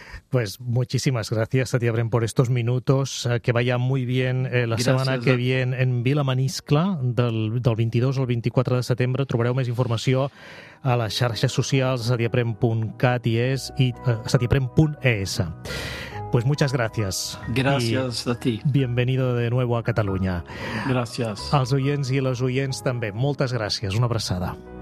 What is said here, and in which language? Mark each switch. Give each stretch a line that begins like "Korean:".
Spanish: Pues muchísimas gracias, Satya Prem, por estos minutos. Que vaya muy bien semana que viene en Vila Maniscla, del 22 al 24 de setembre.
Catalan: Trobareu més informació a les xarxes socials, satyaprem.cat i satyaprem.es.
Spanish: Pues muchas gracias. Gracias a ti. Bienvenido de nuevo a Cataluña. Gracias.
Catalan: Als oients i les oients també, moltes gràcies. Una abraçada.